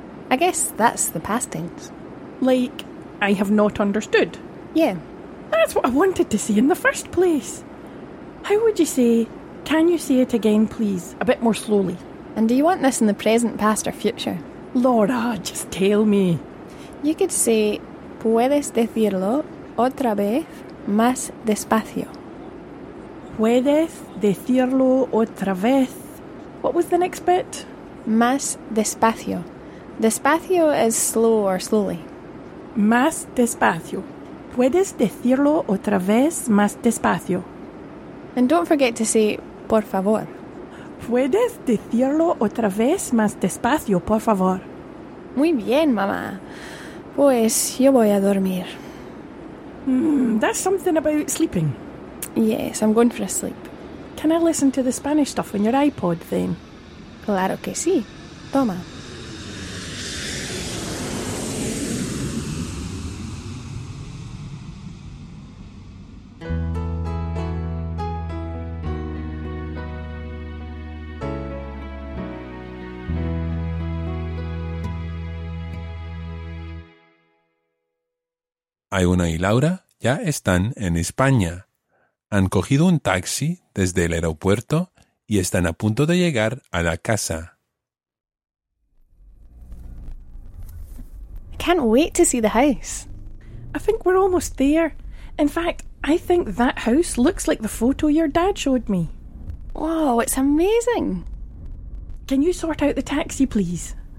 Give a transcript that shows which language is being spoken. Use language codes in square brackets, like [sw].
[en] I guess that's the past tense. Like, I have not understood. Yeah. That's what I wanted to say in the first place. How would you say, can you say it again, please, a bit more slowly? And do you want this in the present, past or future? Laura, just tell me. You could say, [es] ¿puedes decirlo otra vez más despacio? ¿Puedes decirlo otra vez? [en] What was the next bit? [es] Más despacio. [en] Despacio is slow or slowly. [es] Más despacio. ¿Puedes decirlo otra vez más despacio? [en] And don't forget to say, [es] por favor. ¿Puedes decirlo otra vez más despacio, por favor? Muy bien, mamá. Pues yo voy a dormir. [en] That's something about sleeping. Yes, I'm going for a sleep. Can I listen to the Spanish stuff on your iPod, then? [es] Claro que sí. Toma. Iona y Laura ya están en España. Han cogido un taxi desde el aeropuerto y están a punto de llegar a la casa. [en] I can't wait to see the house. I think we're almost there. In fact, I think that house looks like the photo your dad showed me. Wow, it's amazing. Can you sort out the taxi, please?